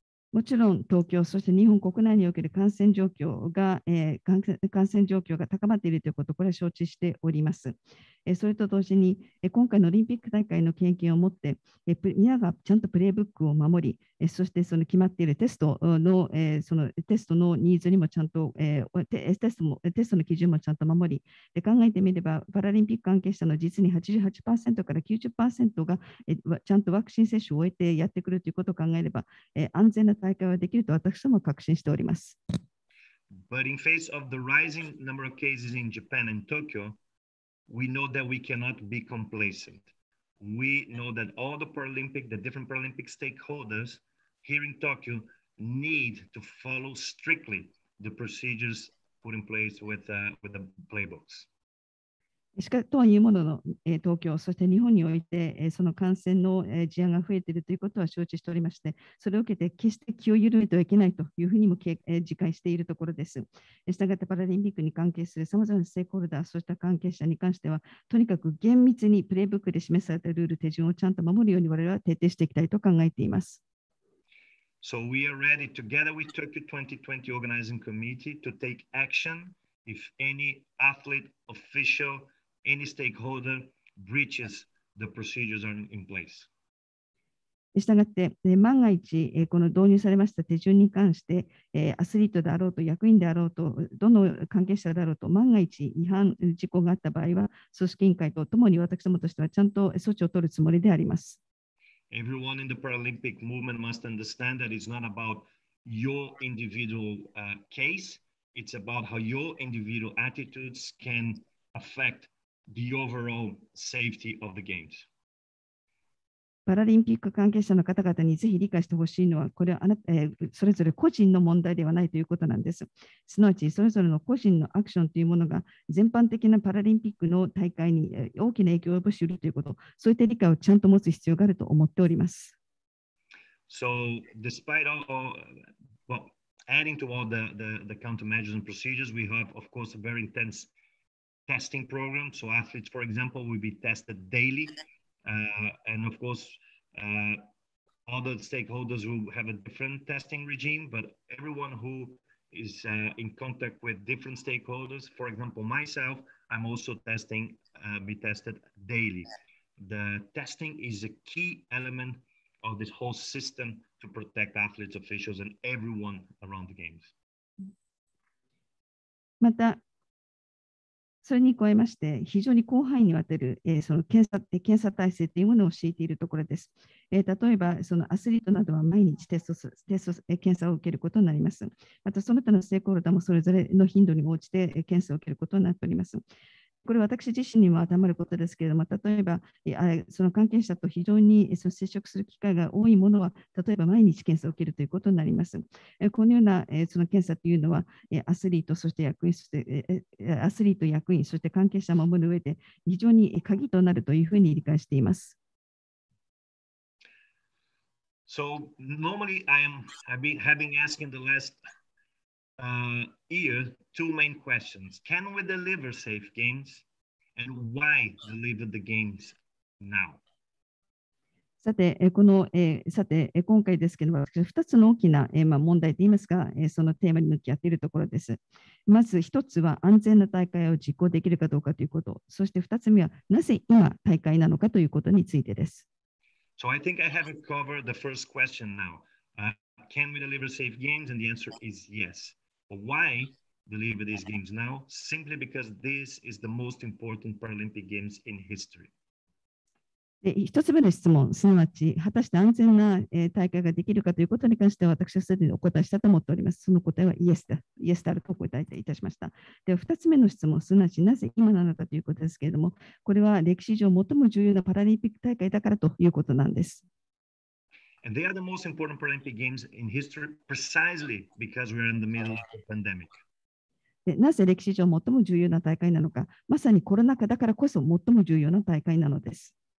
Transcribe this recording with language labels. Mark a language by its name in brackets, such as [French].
[Japanese] もちろん東京、そして日本国内における感染状況が、感染状況が高まっているということ、これは承知しております。それと同時に、今回のオリンピック大会の経験をもって、皆がちゃんとプレイブックを守り、そしてその決まっているテストの、そのテストのニーズにもちゃんと、テストの基準もちゃんと守り、考えてみれば、パラリンピック関係者の実に 88% から 90% が、ちゃんとワクチン接種を終えてやってくるということを考えれば、安全な大会はできると私ども確信しております。 [English] But in face of the rising number of cases in Japan and Tokyo,We know that we cannot be complacent. We know that all the Paralympic, the different Paralympic stakeholders here in Tokyo need to follow strictly the procedures put in place with the playbooks. [Japanese] しかとはいうものの、東京、そして日本において、その感染の事案が増えているということは承知しておりまして、それを受けて決して気を緩めてはいけないというふうにも自戒しているところです。したがってパラリンピックに関係するさまざまなステークホルダー、そうした関係者に関しては、とにかく厳密にプレイブックで示されたルール、手順をちゃんと守るように我々は徹底していきたいと考えています。 [English] So we are ready together with Tokyo 2020 Organizing Committee to take action if any athlete official. Any stakeholder breaches the procedures are in place. [Japanese] したがって、万が一、この導入されました手順に関して、アスリートであろうと、役員であろうと、どの関係者であろうと、万が一違反事故があった場合は、組織委員会とともに私どもとしてはちゃんと措置を取るつもりであります。 [English] Everyone in the Paralympic movement must understand that it's not about your individual, case, it's about how your individual attitudes can affect. The overall safety of the games. [Japanese] パラリンピック関係者の方々にぜひ理解してほしいのは、これはあなた、それぞれ個人の問題ではないということなんです。すなわち、それぞれの個人のアクションというものが、全般的なパラリンピックの大会に大きな影響を及ぼし得るということ、そういった理解をちゃんと持つ必要があると思っております。 [English] So, despite all, well, adding to all the countermeasures and procedures, we have, of course, a very intenseTesting program. So athletes, for example, will be tested daily. And of course, other stakeholders will have a different testing regime. But everyone who is in contact with different stakeholders, for example, myself, I'm also testing, be tested daily. The testing is a key element of this whole system to protect athletes, officials, and everyone around the games. [Japanese] またそれに加えまして、非常に広範囲にわたる、その検査体制というものを敷いているところです。例えば、そのアスリートなどは毎日テスト検査を受けることになります。また、その他のステークホルダーもそれぞれの頻度に応じて検査を受けることになっております。これは私自身にも当てはまることですけれども、例えば、その関係者と非常に接触する機会が多いものは、例えば毎日検査を受けるということになります。このようなその検査というのは、アスリート、そして役員、そしてアスリート役員、そして関係者を守る上で、非常に鍵となるというふうに理解しています。 [English] So, normally I've been asking the last year. Two main questions. Can we deliver safe games? And why deliver the games now? [Japanese] さて、この、さて、今回ですけど、私は2つの大きな、まあ、問題といいますか、そのテーマに向き合っているところです。まず1つは安全な大会を実行できるかどうかということ。そして2つ目は、なぜ今大会なのかということについてです。 [English] So I think I have covered the first question now. Can we deliver safe games? And the answer is yes. Why? Deliver these games now simply because this is the most important Paralympic Games in history. [Japanese] で一つ目の質問、すなわち、果たして安全な、大会ができるかということに関しては、私はすでにお答えしたと思っております。その答えはイエスだ、イエスであるとお答えいたしました。では、二つ目の質問、すなわち、なぜ今なのかということですけれども、これは歴史上最も重要なパラリンピック大会だからということなんです。 [English] And they are the most important Paralympic Games in history precisely because we are in the middle of a pandemic. [Japanese] でなぜ歴史上最も重要な大会なのか、まさにコロナ禍だからこそ最も重要な大会なのです。